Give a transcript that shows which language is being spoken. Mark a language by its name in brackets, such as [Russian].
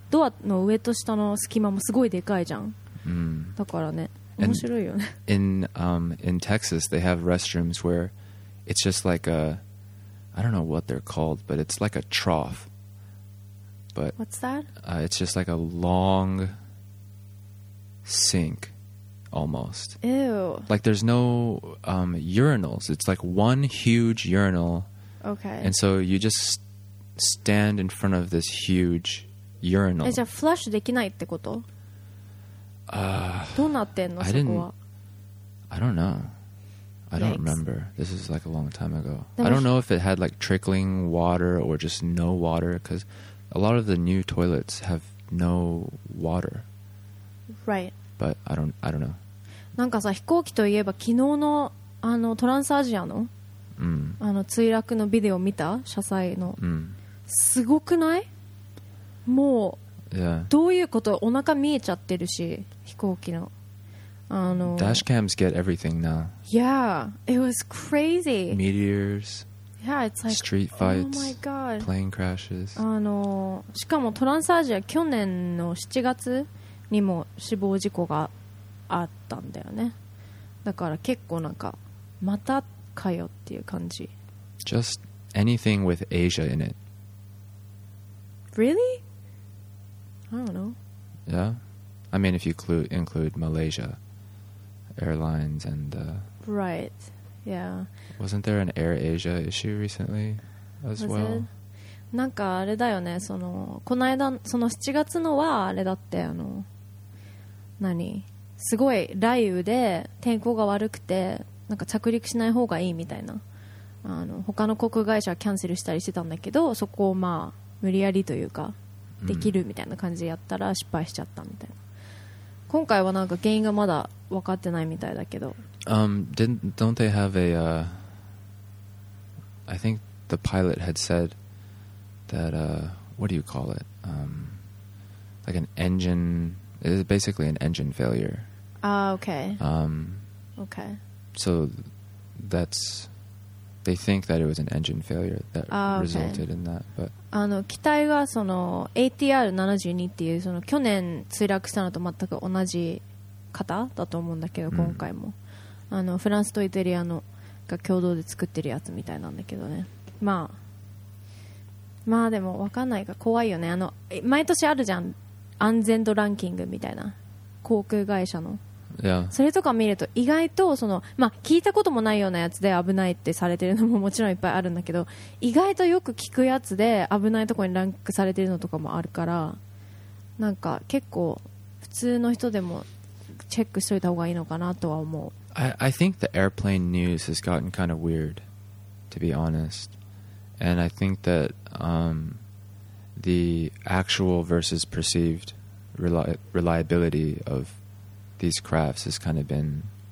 [Japanese] ドアの上と下の隙間もすごいでかいじゃん。 Mm. だからね、面白いよね。 [English] In Texas, they have restrooms where it's just like a, I don't know what they're called, but it's like a trough. But, What's that? It's just like a long sink, almost. Ew. Like there's no urinals. It's like one huge urinal. Okay. And so you just stand in front of this huge urinal. [Japanese] じゃあ flush できないってこと？どうなってんの？そこは。 [English] I don't know. I don't remember. This is like a long time ago. I don't know if it had like trickling water or just no water because... A lot of the new toilets have no water. Right. But I don't know. [Japanese] なんかさ、飛行機といえば昨日のあのトランスアジアの、 mm. あの墜落のビデオ見た？車載の。 Mm. すごくない？もう、 [English] yeah. [Japanese] どういうこと？お腹見えちゃってるし、飛行機の。あの。 [English] Dash cams get everything now. Yeah, it was crazy. Meteors. Yeah, it's like, Street fights, oh my God. Plane crashes. [Japanese] しかもトランスアジア去年の7月にも死亡事故があったんだよね。だから結構なんかまたかよっていう感じ。 [English] Just anything with Asia in it. Really? I don't know. Yeah? I mean if you include Malaysia Airlines and... Right. Yeah. Wasn't there an Air Asia issue recently as well? [Japanese] なんかあれだよね、その、この間、その7月のはあれだって、あの、何、すごい雷雨で天候が悪くて、なんか着陸しない方がいいみたいな、あの、他の航空会社はキャンセルしたりしてたんだけど、そこをまあ、無理やりというか、できるみたいな感じでやったら失敗しちゃったみたいな。今回はなんか原因がまだ分かってないみたいだけど。 [English] Don't they have a, I think the pilot had said that, what do you call it? Like an engine, it is basically an engine failure. Ah, okay. Okay. So that's, they think that it was an engine failure that resulted in that, but. [Japanese] あの、機体がその ATR-72 っていうその去年墜落したのと全く同じ型だと思うんだけど、今回も。あのフランスとイタリアのが共同で作ってるやつみたいなんだけどね。まあまあでも分かんないが怖いよね。あの毎年あるじゃん、安全度ランキングみたいな航空会社の、 [English] yeah. [Japanese] それとか見ると意外とそのまあ聞いたこともないようなやつで危ないってされてるのももちろんいっぱいあるんだけど、意外とよく聞くやつで危ないとこにランクされてるのとかもあるから、なんか結構普通の人でもチェックしといた方がいいのかなとは思う。 [English] I think the airplane news has gotten kind of weird, to be honest. And I think that the actual versus perceived reliability of these crafts has kind of been...